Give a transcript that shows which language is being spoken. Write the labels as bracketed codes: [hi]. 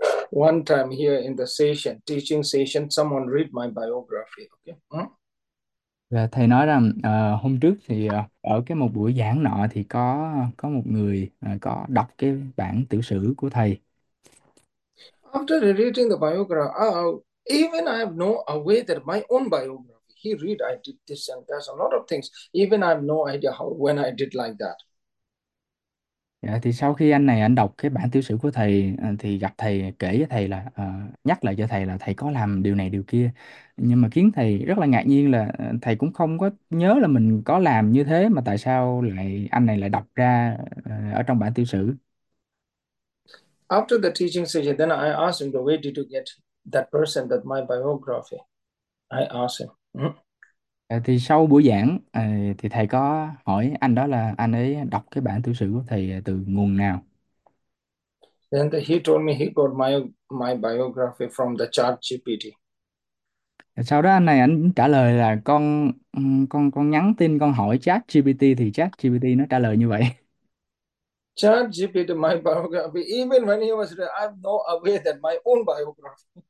[en] One time here in the session, teaching session, someone read my biography. Okay. [vi] Và thầy nói rằng hôm trước thì ở cái một buổi giảng nọ thì có một người có đọc cái bản tiểu sử của thầy. [en] After reading the biography, even I have no way that my own biography, he read, I did this and that's a lot of things. Even I have no idea how, when I did like that. [vi] Dạ, thì sau khi anh này anh đọc cái bản tiểu sử của thầy thì gặp thầy, kể với thầy là nhắc lại cho thầy là thầy có làm điều này điều kia, nhưng mà khiến thầy rất là ngạc nhiên là thầy cũng không có nhớ là mình có làm như thế, mà tại sao lại anh này lại đọc ra ở trong bản tiểu sử. [en] After the teaching session, then I asked him, where did you get that person, that my biography? I asked him. [vi] Thì sau buổi giảng thì thầy có hỏi anh đó là anh ấy đọc cái bản tiểu sử của thầy từ nguồn nào? [en] Then he told me he got my biography from the chat GPT. [vi] Sau đó anh này anh trả lời là con nhắn tin con hỏi chat GPT thì chat GPT nó trả lời như vậy. [en] Chat GPT my biography. Even when he was there, I'm no aware that my own biography.